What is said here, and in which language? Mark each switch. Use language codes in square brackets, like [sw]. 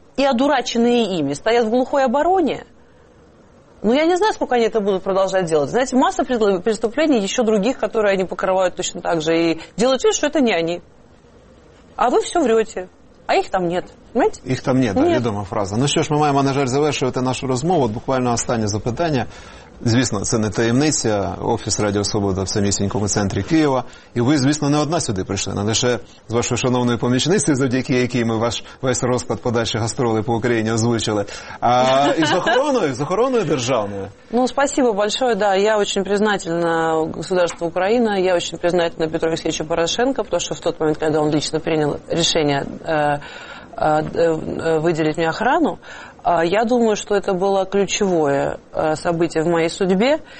[ru] и одураченные ими, стоят в глухой обороне. Ну, я не знаю, сколько они это будут продолжать делать. Знаете, масса преступлений еще других, которые они покрывают точно так же. И делают вид, что это не они. А вы все врете. А их там нет. Понимаете? Их там нет, да, нет. [uk] Відома фраза. Ну що ж, ми маємо, на жаль, завершувати нашу розмову. От буквально останнє запитання. Звісно, це не таємниця. Офіс Радіо Свобода в самісінькому центрі Києва. І ви, звісно, не одна сюди прийшли. Не лише з вашою шановною помічницею, завдяки якій ми ваш весь розклад подальші гастролі по Україні озвучили. А і з охороною державною. [ru] Ну, спасибо большое, да. Я очень признательна государству Украина. Я очень признательна Петру Алексеевичу Порошенко, потому что в тот момент, когда он лично принял решение выделить мне охрану, я думаю, что это было ключевое событие в моей судьбе.